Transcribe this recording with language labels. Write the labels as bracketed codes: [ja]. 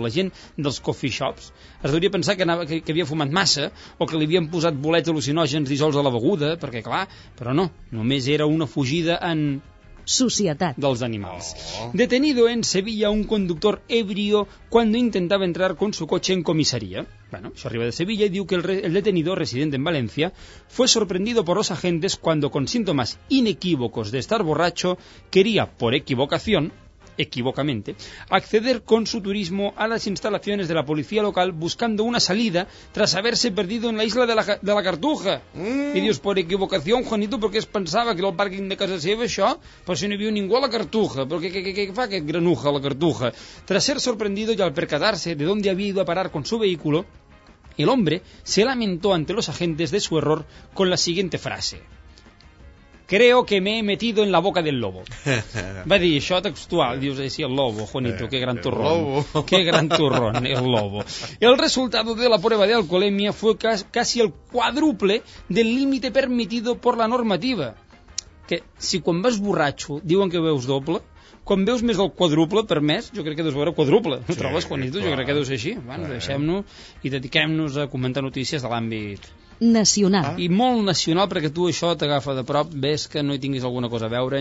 [ca] La gent dels coffee shops es devia pensar que havia fumat massa o que li havien posat bolets al·lucinògens dissolts a la beguda, perquè clar, però no, només era una fugida en... societat dels animals. [es] Detenido en Sevilla un conductor ebrio cuando intentaba entrar con su coche en comisaría. [ca] Bueno, això arriba de Sevilla i diu que [es] el detenido, residente en València, fue sorprendido por los agentes cuando, con síntomas inequívocos de estar borracho, quería, por equivocación, equivocamente, acceder con su turismo a las instalaciones de la policía local buscando una salida tras haberse perdido en la isla de la Cartuja. [ca] I dius, [es] por equivocación, [ca] Juanito, perquè es pensava que era el pàrquing de casa seva, això, però si no hi havia ningú a la Cartuja. Però què fa aquest granuja a la Cartuja? [es] Tras ser sorprendido y al percatarse de dónde había ido a parar con su vehículo, el hombre se lamentó ante los agentes de su error con la siguiente frase: creo que me he metido en la boca del lobo. [ca] Va dir això textual. Dius, sí, [es] el lobo, [ca] Juanito, [es] qué gran turrón. Qué gran turrón, el lobo. El resultado de la prueba de alcoholemia fue casi el cuádruple del límite permitido por la normativa. [ca] Que si quan vas borratxo diuen que veus doble, quan veus més del quadruple permès, jo crec que deus veure quadruple. Sí, ho trobes, Juanito? Jo crec que deus així. Bueno, deixem-nos i dediquem-nos a comentar notícies de l'àmbit... nacional. I molt nacional, perquè tu això t'agafa de prop, ves que no hi tinguis alguna cosa a veure.